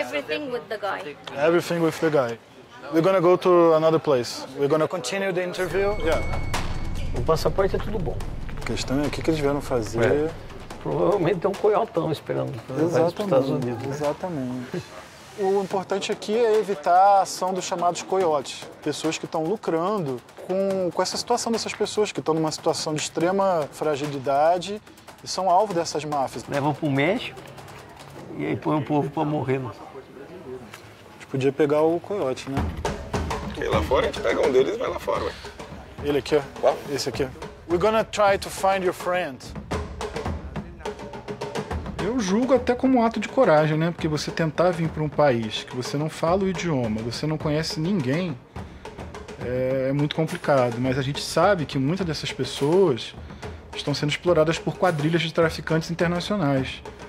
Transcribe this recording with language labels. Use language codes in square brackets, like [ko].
[en] Everything with the guy. Everything with the guy. We're gonna go to another place. We're gonna continue the interview. Yeah. [pt] O passaporte é tudo bom. A questão é o que eles vieram fazer. É. Provavelmente tem um coiotão esperando para os Estados Unidos. Exatamente. O importante aqui é evitar a ação dos chamados coiotes, pessoas que estão lucrando com essa situação dessas pessoas, que estão numa situação de extrema fragilidade e são alvo dessas máfias. Levam para o México e aí põe o povo para morrer. Podia pegar o coiote, né? E lá fora, a gente pega um deles e vai lá fora, ué. Ele aqui, ó. Qual? Esse aqui. [en] We're gonna try to find your friend. [pt] Eu julgo até como um ato de coragem, né? Porque você tentar vir para um país que você não fala o idioma, você não conhece ninguém, é muito complicado. Mas a gente sabe que muitas dessas pessoas estão sendo exploradas por quadrilhas de traficantes internacionais.